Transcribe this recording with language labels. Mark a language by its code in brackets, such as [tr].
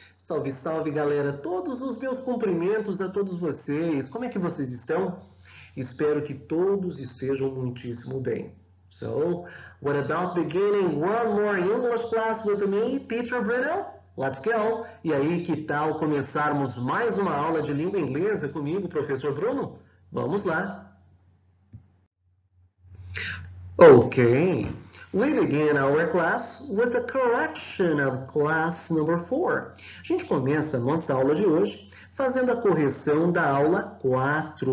[pt] Salve, salve, galera, todos os meus cumprimentos a todos vocês. Como é que vocês estão? Espero que todos estejam muitíssimo bem. [en] So, what about beginning one more English class with me, Teacher Brito? Let's go! [pt] E aí, que tal começarmos mais uma aula de língua inglesa comigo, Professor Bruno? Vamos lá! [en] Ok! We begin our class with a correction of class number 4. [pt] A gente começa a nossa aula de hoje fazendo a correção da aula 4.